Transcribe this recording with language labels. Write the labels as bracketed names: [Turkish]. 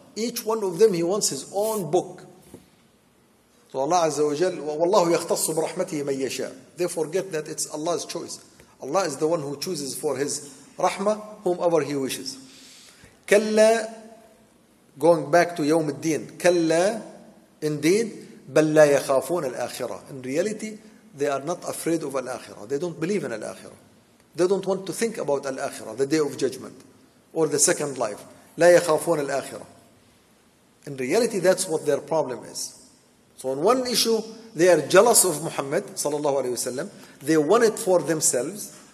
[English] Each one of them, he wants his own book. So Allah Azza wa Jal, [Arabic] وَاللَّهُ يَخْتَصُّ بِرَحْمَتِهِ مَنْ يَشَاءُ. [English] They forget that it's Allah's choice. Allah is the one who chooses for his rahmah, whomever he wishes. كَلَّا going back to يوم الدين. [Arabic] كلا [English] indeed [Arabic] بل لا يخافون الآخرة. [English] In reality they are not afraid of الآخرة. They don't believe in الآخرة. They don't want to think about الآخرة, the day of judgment or the second life. [Arabic] لا يخافون الآخرة. [English] In reality that's what their problem is. So on one issue they are jealous of Muhammad صلى الله عليه وسلم. They want it for themselves.